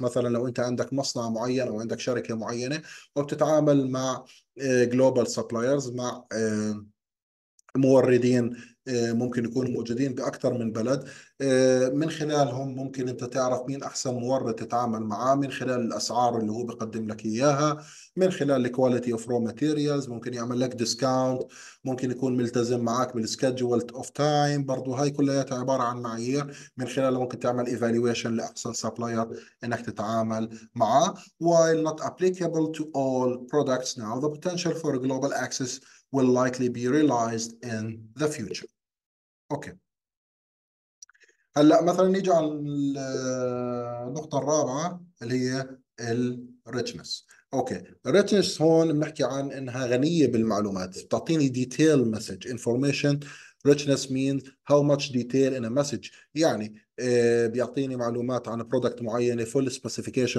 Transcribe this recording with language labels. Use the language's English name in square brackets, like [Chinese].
[Arabic] مثلا لو انت عندك مصنع معين او عندك شركه معينه وبتتعامل مع جلوبال سبلايرز، مع موردين ممكن يكونوا موجودين بأكثر من بلد، من خلالهم ممكن أنت تعرف مين أحسن مورد تتعامل معاه، من خلال الأسعار اللي هو بيقدم لك إياها، من خلال [English] الكواليتي of raw materials, [Arabic] ممكن يعمل لك ديسكاونت، ممكن يكون ملتزم معاك [English] بالسكادجول of time [Arabic] برضو. هاي كلها عبارة عن معايير من خلالها ممكن تعمل ايفالويشن لأحسن سبلاير إنك تتعامل معاه. [English] While not applicable to all products now, the potential for global access will likely be realized in the future. Okay. [Arabic] هلا مثلا نيجي على النقطة الرابعة اللي هي ال richness. [English] Okay. [Arabic] Richness هون بنحكي عن إنها غنية بالمعلومات، بتعطيني [English] detail message information. Richness means how much detail in a message. [Arabic] يعني بيعطيني معلومات عن برودكت معينة، [English] full specification.